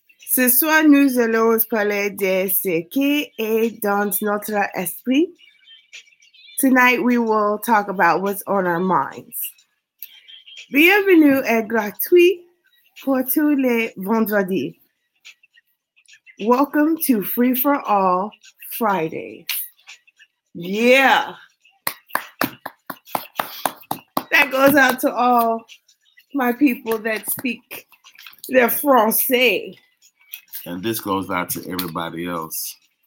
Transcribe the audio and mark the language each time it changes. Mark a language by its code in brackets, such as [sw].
[fr] Ce soir, nous allons parler de ce qui est dans notre esprit. [en] Tonight, we will talk about what's on our minds. [fr] Bienvenue et gratuit pour tous les vendredis. [en] Welcome to Free for All Friday. Yeah. That goes out to all my people that speak their Francais. And this goes out to everybody else.